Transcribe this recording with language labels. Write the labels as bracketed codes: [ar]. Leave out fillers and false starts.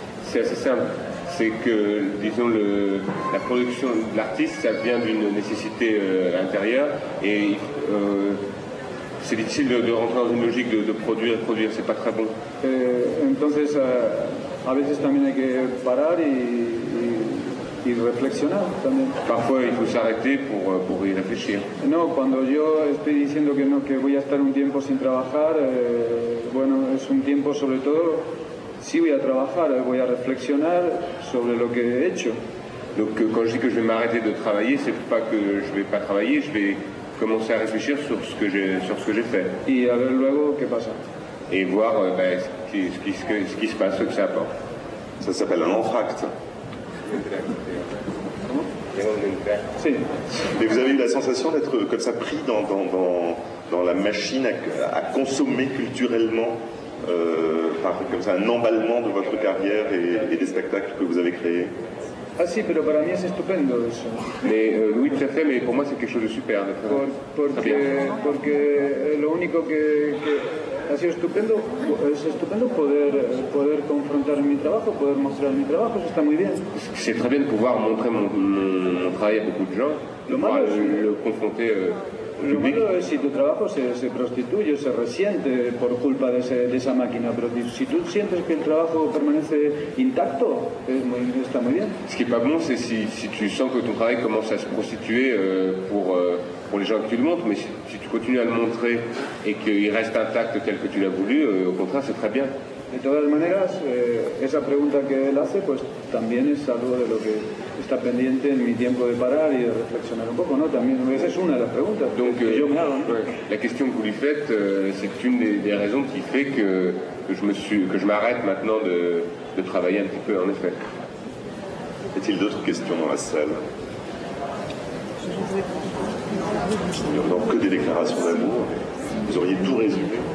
[es] Sí, es simple, [fr] c'est que, disons, [es] la producción [fr] de l'artiste, ça vient d'une nécessité intérieure et c'est difficile de rentrer dans une logique de produire, c'est pas très bon. [es] Entonces, a veces también hay que parar y reflexionar también. [fr] Parfois il faut s'arrêter pour y réfléchir. [es] No, cuando yo estoy diciendo que no, que voy a estar un tiempo sin trabajar, bueno, es un tiempo sobre todo, sí voy a trabajar, voy a reflexionar sobre lo que he hecho. [fr] Donc quand je dis que je vais m'arrêter de travailler, c'est pas que je vais pas travailler, je vais commencer à réfléchir sur ce que j'ai fait. [es] Y a ver luego qué pasa. [fr] Et voir ce qui se passe, ce que ça apporte. Ça s'appelle un entracte. Si. Mais vous avez eu la sensation d'être comme ça pris dans la machine à consommer culturellement, par comme ça, un emballement de votre carrière et des spectacles que vous avez créés. [es] Ah si, pero para mí es estupendo eso. [fr] Mais oui, tout à fait, mais pour moi c'est quelque chose de super. De [es] porque lo único que ha sido estupendo, es estupendo poder confrontar mi trabajo, poder mostrar mi trabajo, eso está muy bien. [fr] C'est très bien de pouvoir montrer mon travail a beaucoup de gens, de pouvoir le confronter [es] Lo malo es si tu trabajo se prostituye, se resiente por culpa de esa máquina, pero si tú sientes que el trabajo permanece intacto, está muy bien. [fr] Ce qui est pas bon, c'est si tu sens que ton travail commence à se prostituer pour les gens que tu le montres, mais si tu continues à le montrer et qu'il reste intact tel que tu l'as voulu, au contraire, c'est très bien. [es] De todas maneras, esa pregunta que él hace, pues también es algo de lo que está pendiente en mi tiempo de parar y de reflexionar un poco, ¿no? También esa es una de las preguntas. Donc, que yo me hago, ¿no? [fr] La question que vous lui faites, c'est une des raisons qui fait que je m'arrête maintenant de travailler un petit peu, en effet. Y a-t-il d'autres questions dans la salle? Il n'y a donc que des déclarations d'amour. Vous auriez tout résumé.